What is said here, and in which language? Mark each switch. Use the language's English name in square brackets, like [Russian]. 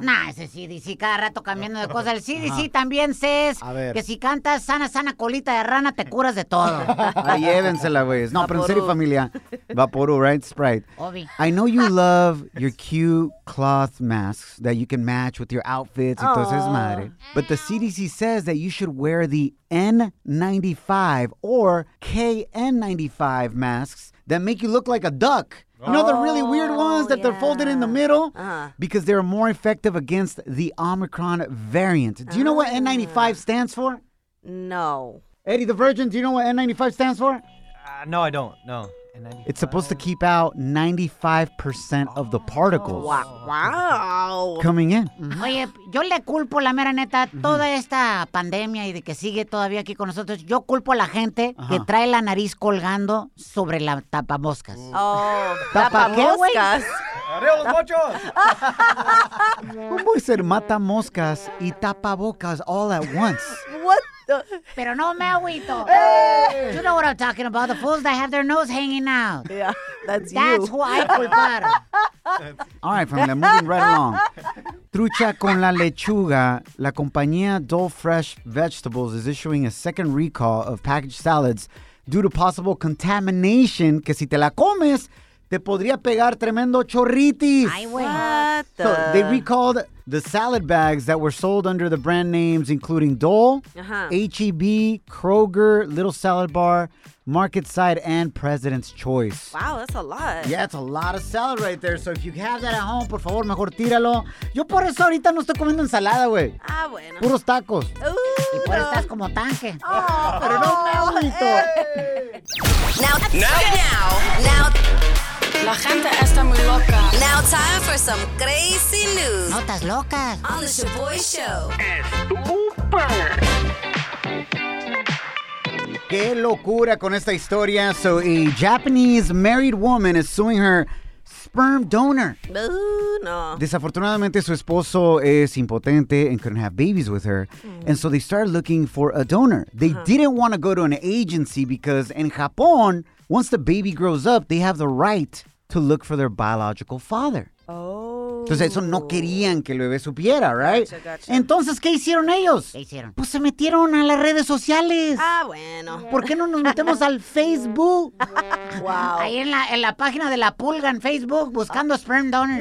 [Spanish] Nah, ese CDC cada rato cambiando de cosas. El CDC también says que si cantas sana, sana colita de rana, te curas de todo. Llévensela, güey. No, pero en serio, familia. Vaporú, [English] right? [Spanish] Sprite. Obi. [English] I know you love your cute cloth masks that you can match with your outfits, [Spanish] entonces madre. [English] But the CDC says that you should wear the N95 or KN95 masks that make you look like a duck. You know, the really weird ones that they're folded in the middle? Because they're more effective against the Omicron variant. Do you know what N95 stands for? No. Eddie the Virgin, do you know what N95 stands for? No, I don't. No. N95. It's supposed to keep out 95% of the particles. Wow. Coming in. [Spanish] Oye, yo le culpo, la mera neta, toda esta pandemia y de que sigue todavía aquí con nosotros, yo culpo a la gente que trae la nariz colgando sobre la tapamoscas. ¿Tapamoscas? ¡Adiós, muchachos! ¿Cómo puede ser matamoscas y tapabocas [English] all at once? What? [Spanish] Pero no me agüito. [English] You know what I'm talking about. The fools that have their nose hanging out. Yeah, that's you. That's who I culpar. All right, from there, moving right along. [Spanish] Trucha con la lechuga. La compañía [English] Dole Fresh Vegetables is issuing a second recall of packaged salads due to possible contamination. [Spanish] Que si te la comes, te podría pegar tremendo chorritis. Ay, wey. [English] What the? So they recalled the salad bags that were sold under the brand names including Dole, H-E-B, Kroger, Little Salad Bar, Market Side, and President's Choice. Wow, that's a lot. Yeah, it's a lot of salad right there. So if you have that at home, [Spanish] por favor, mejor tíralo. Yo por eso ahorita no estoy comiendo ensalada, güey. Ah, bueno. Puros tacos. Y por eso estás como tanque. Oh, pero no me aguito. [English] Now. [Spanish] La gente está muy loca. [English] Now time for some crazy news. [Spanish] Notas locas. [English] On the Chuboy Show. Estúper. [Spanish] Qué locura con esta historia. [English] So a Japanese married woman is suing her sperm donor. No. [Spanish] Desafortunadamente, su esposo es impotente [English] and couldn't have babies with her. And so they started looking for a donor. They didn't want to go to an agency because in Japón, once the baby grows up, they have the right to look for their biological father. [Spanish] Entonces, eso no querían que el bebé supiera, [English] right? Gotcha. [Spanish] Entonces, ¿qué hicieron ellos? ¿Qué hicieron? Pues se metieron a las redes sociales. Ah, bueno. ¿Por qué no nos metemos al Facebook? [English] Wow. [Spanish] Ahí en la página de la pulga en Facebook, buscando sperm donors.